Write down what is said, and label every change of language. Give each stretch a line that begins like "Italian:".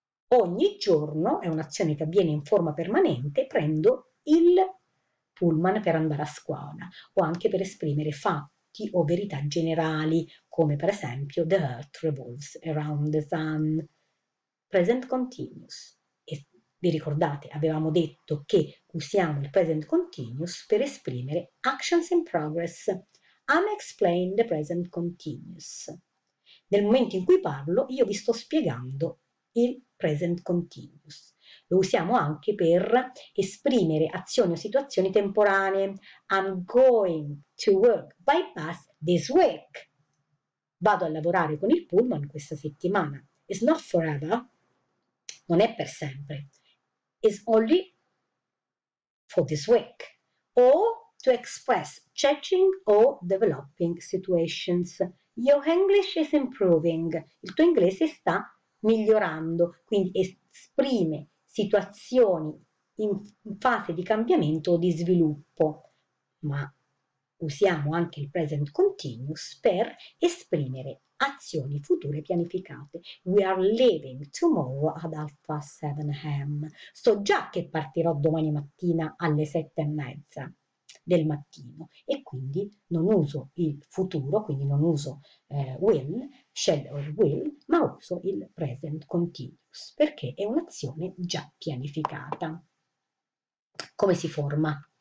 Italian: Ogni giorno, è un'azione che avviene in forma permanente, prendo il pullman per andare a scuola o anche per esprimere fatti o verità generali, come per esempio
English: The Earth revolves around the sun.
Italian: Present continuous. E vi ricordate, avevamo detto che usiamo il present continuous per esprimere
English: actions in progress. I'm explaining the present continuous.
Italian: Nel momento in cui parlo, io vi sto spiegando il present continuous. Lo usiamo anche per esprimere azioni o situazioni temporanee.
English: I'm going to work by bus this week.
Italian: Vado a lavorare con il pullman questa settimana.
English: It's not forever.
Italian: Non è per sempre.
English: It's only for this week. O to express changing or developing situations. Your English is improving.
Italian: Il tuo inglese sta migliorando, quindi esprime situazioni in fase di cambiamento o di sviluppo, ma usiamo anche il present continuous per esprimere azioni future pianificate.
English: We are leaving tomorrow at half past 7 a.m.
Italian: So già che partirò domani mattina alle 7:30 del mattino e quindi non uso il futuro, quindi non uso will, shall or will, ma uso il present continuous perché è un'azione già pianificata. Come si forma?